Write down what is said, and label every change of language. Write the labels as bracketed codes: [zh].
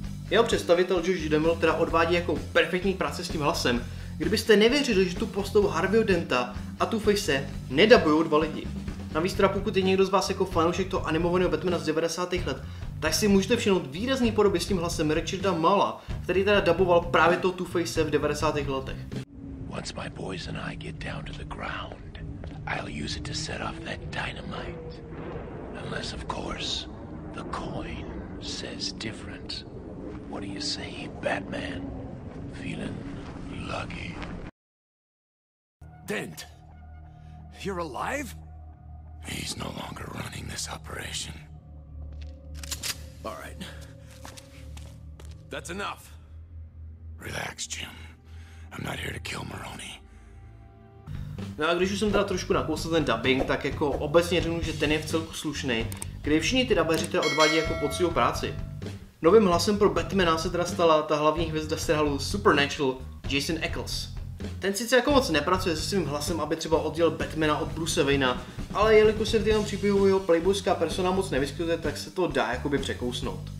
[cs] Jeho představitel Josh Duhamel teda odvádí jako perfektní práce s tím hlasem, kdybyste nevěřili, že tu postavu Harvey Denta a Two-Face nedabujou dva lidi. Navíc teda pokud je někdo z vás jako fanoušek toho animovaného Batmana z 90. let, tak si můžete všimnout výrazný podoby s tím hlasem Richarda Mala, který teda daboval právě toho Two-Face v 90. letech. [en] Once my boys and I get down to the ground, I'll use it to set off that dynamite. Unless, of course, the coin says different. What do you say, Batman? Feeling lucky? Dent! You're alive? He's no longer running this operation. All right. That's enough. Relax, Jim. I'm not here to kill Maroni. [cs] No a když už jsem teda trošku nakousil ten dubbing, tak jako obecně řeknu, že ten je vcelku slušný, kde všichni ty dabeři teda odvádí jako poctivou práci. Novým hlasem pro Batmana se teda stala ta hlavní hvězda seriálu Supernatural, Jason Eccles. Ten sice jako moc nepracuje se svým hlasem, aby třeba oddělil Batmana od Bruce Wayna, ale jelikož se v tom příběhu jeho playboyská persona moc nevyskytuje, tak se to dá jakoby překousnout.